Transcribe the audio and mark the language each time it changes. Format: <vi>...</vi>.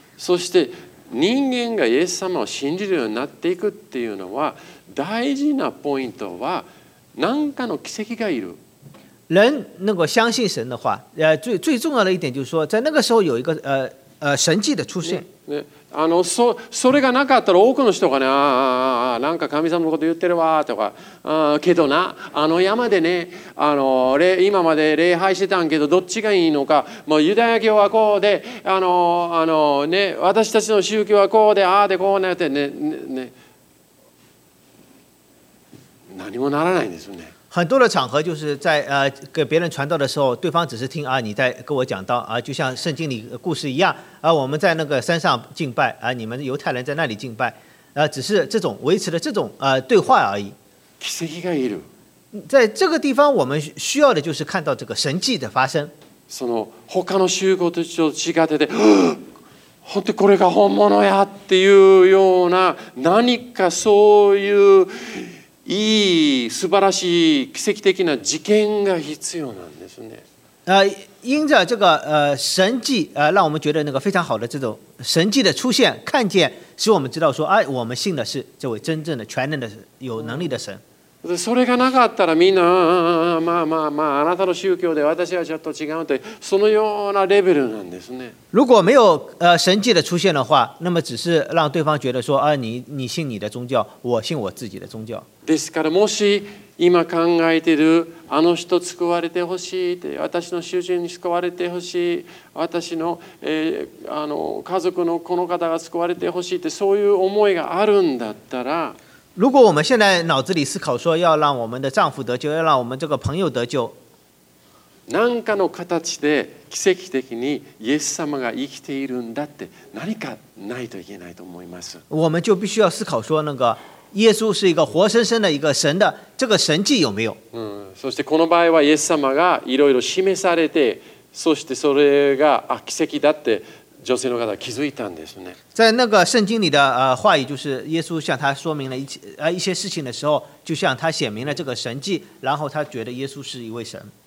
<ja>そして人間がイエス様を信じるようになっていくっていうのは大事なポイントは。何かの奇跡がいる。</ja> <zh>人能够相信神的话，最重要的一点就是说，在那个时候有一个神迹的出现。</zh> <ja>ね、あの、それがなかったら多くの人がね、なんか神様のこと言ってるわとか、けどな、あの山でね、あの今まで礼拝してたんけど、どっちがいいのか、もうユダヤ教はこうで、あのね、私たちの宗教はこうで、ああでこうなってね、ね。ね何もならないんですね。</ja> <zh>很多的场合就是在给别人传道的时候，对方只是听啊，你在跟我讲道啊，就像圣经里故事一样啊，我们在那个山上敬拜啊，你们犹太人在那里敬拜啊，只是这种维持的这种对话而已。</zh> <ja>奇跡がいる。</ja> <zh>在这个地方，我们需要的就是看到这个神迹的发生。</zh> <ja>その他の宗教と違ってて、本当これが本物やっていうような何かそういう。いい素晴らしい奇跡的な事件が必要なんですね。</ja> <zh>因着这个神迹让我们觉得那个非常好的这种神迹的出现，看见使我们知道说，哎，我们信的是这位真正的全能的有能力的神。</zh> <ja>それがなかったらみんなまあまあまああなたの宗教で私はちょっと違うとそのようなレベルなんですね。</ja> <zh>如果没有神迹的出现的话，那么只是让对方觉得说啊你信你的宗教，我信我自己的宗教。</zh> <ja>ですからもし今考えているあの人救われてほしいって私の主人に救われてほしい私の、あの家族のこの方が救われてほしいってそういう思いがあるんだったら。</ja> <zh>如果我们现在脑子里思考说要让我们的丈夫得救，要让我们这个朋友得救，</zh> <ja>何かの形で奇跡的にイエス様が生きているんだって何かないといけないと思います。</ja> <zh>我们就必须要思考说，那个耶稣是一个活生生的一个神的这个神迹有没有？</zh> <ja>そしてこの場合はイエス様がいろいろ示されて、そしてそれが奇跡だって。女性の方は気づいたんですね。</ja> <zh>在那个圣经里的话语，就是耶稣向他说明了一些事情的时候，就向他显明了这个神迹，然后他觉得耶稣是一位神。</zh>